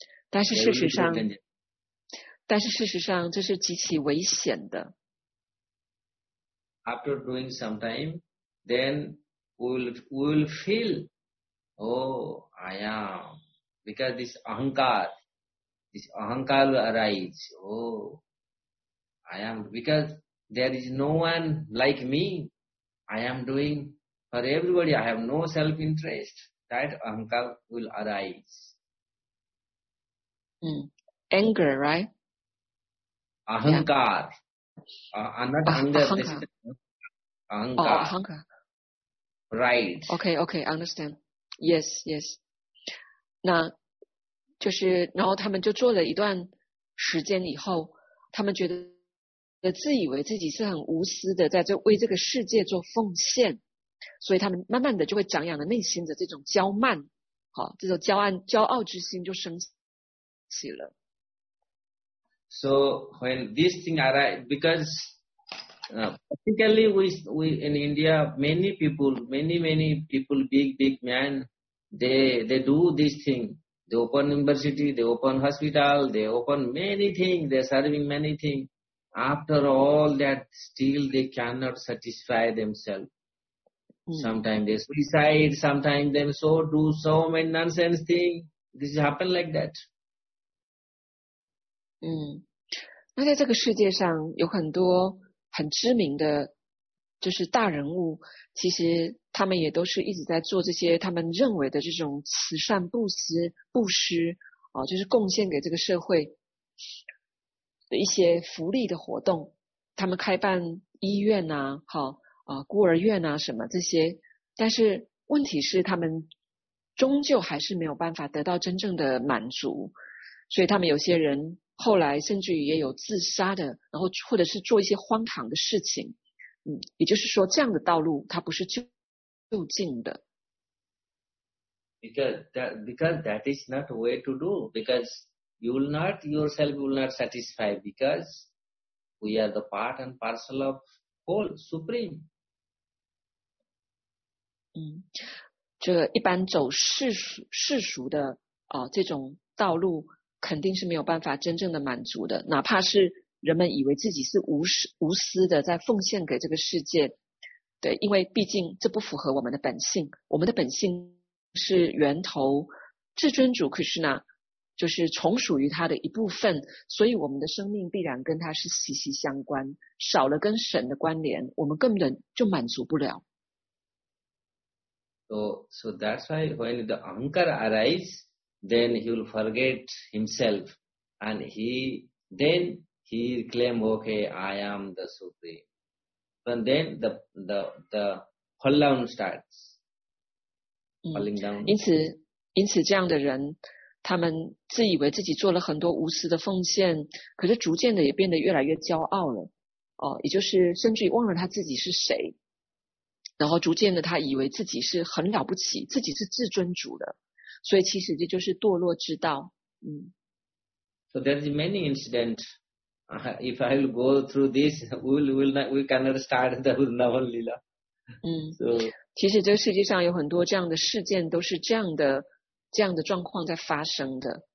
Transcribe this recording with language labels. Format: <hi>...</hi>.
<zh>但是事实上，这是极其危险的。</zh> <en>After doing some time, then we will feel, oh, I am, because this ahankar. This ahankar arises. Oh, I am because there is no one like me. I am doing for everybody. I have no self-interest. That ahankar will arise. Anger, right? Ahankar. Yeah. Not anger. Ahankar. Oh, ahankar. Right. Okay. Understand. Yes.</en> <zh>那就是然后他们就做了一段时间以后，他们觉得自以为自己是很无私的在这为这个世界做奉献，所以他们慢慢的就会长养了内心的这种骄慢，好，这种骄傲之心就升起了。</zh> <en>So when this thing arise, because particularly we in India, many people, big men, they do this thing. They open university, they open hospital, they open many things, they are serving many things. After all that, still they cannot satisfy themselves. Sometimes they suicide, sometimes they so do so many nonsense things. This happens like that.</en> <zh>那在这个世界上有很多很知名的就是大人物，其实他们也都是一直在做这些他们认为的这种慈善布施、哦、就是贡献给这个社会的一些福利的活动，他们开办医院啊、孤儿院啊什么这些，但是问题是他们终究还是没有办法得到真正的满足，所以他们有些人后来甚至于也有自杀的，然后或者是做一些荒唐的事情。也就是说这样的道路它不是就近的。</zh> <en>Because that is not way to do, because you will not, yourself will not satisfy, because we are the part and parcel of whole supreme.</en> <zh>这一般走世俗的这种道路肯定是没有办法真正的满足的，哪怕是人们以为自己是无私的在奉献给这个世界，对，因为毕竟这不符合我们的本性，我们的本性是源头至尊主 Krishna， 就是从属于他的一部分，所以我们的生命必然跟他是息息相关，少了跟神的关联，我们根本就满足不了。</zh> <en>So that's why when the anchor arises, then he will forget himself, and he claim, okay, I am the supreme. And then the fall down starts, falling down.</en> <zh>因此这样的人，他们自以为自己做了很多无私的奉献，可是逐渐的也变得越来越骄傲了。也就是甚至于忘了他自己是谁。然后逐渐的他以为自己是很了不起，自己是至尊主的，所以其实这就是堕落之道。</zh> <en>So there are many incidents. If I will go through this, we cannot start the Vrindavan Lila. So,</en> <zh>其实这个世界上有很多这样的事件，都是这样的状况在发生的。</zh>